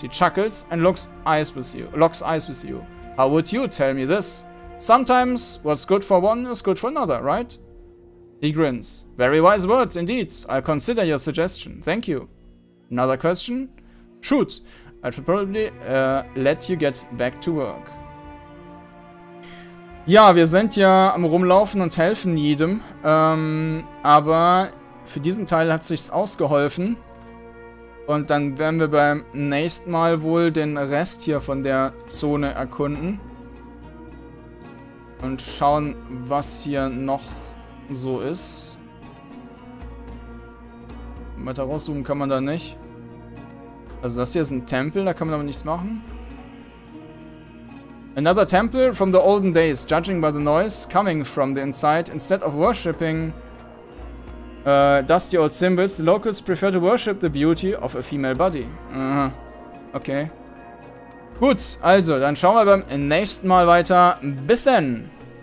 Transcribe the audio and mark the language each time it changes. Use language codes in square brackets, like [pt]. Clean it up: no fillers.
[en] He chuckles and locks eyes with you. How would you tell me this? Sometimes what's good for one is good for another, right? He grins. Very wise words indeed. I'll consider your suggestion. Thank you. Another question? Shoot. I should probably let you get back to work. [de] Ja, wir sind ja am Rumlaufen und helfen jedem. Aber für diesen Teil hat sich's ausgeholfen. Und dann werden wir beim nächsten Mal wohl den Rest hier von der Zone erkunden. Und schauen, was hier noch so ist. Weiter rauszoomen kann man da nicht. Also das hier ist ein Tempel, da kann man aber nichts machen. [en] Another temple from the olden days, judging by the noise coming from the inside. Instead of worshipping dusty old symbols, the locals prefer to worship the beauty of a female body. [de] Okay. Gut, also, dann schauen wir beim nächsten Mal weiter. Bis dann!